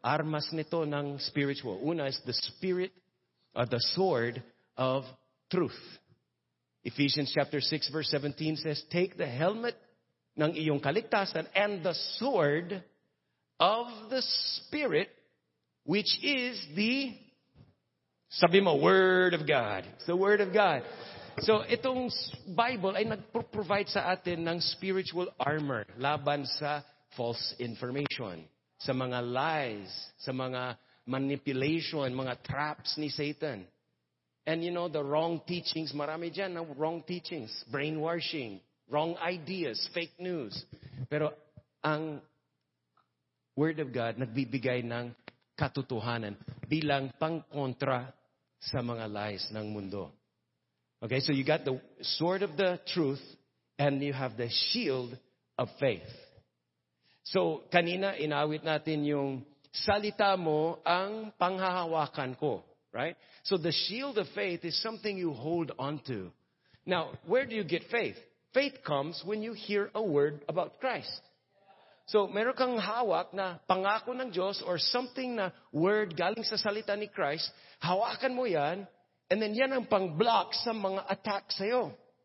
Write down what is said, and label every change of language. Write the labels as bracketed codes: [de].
[tl] Armas nito ng [en] spiritual. Una is the spirit, the sword of truth. Ephesians chapter 6 verse 17 says, take the helmet [tl] ng iyong kaligtasan [en] and the sword of the Spirit, which is the, [tl] sabi mo, [en] Word of God. It's the Word of God. [tl] So, itong Bible ay nag-provide sa atin ng spiritual armor laban sa false information, sa mga lies, sa mga manipulation, mga traps ni Satan. [en] And you know, the wrong teachings, [tl] marami dyan na [en] wrong teachings, brainwashing, wrong ideas, fake news. [tl] Pero ang Word of God nagbibigay ng katotohanan bilang pangkontra sa mga lies ng mundo. [en] Okay, so you got the sword of the truth and you have the shield of faith. [tl] So, kanina inawit natin yung salita mo ang panghahawakan ko, right? [en] So, the shield of faith is something you hold on to. Now, where do you get faith? Faith comes when you hear a word about Christ. [tl] So, meron kang hawak na pangako ng Diyos or something na word galing sa salita ni Christ, hawakan mo yan, and then yan ang pang-block sa mga attack sa'yo.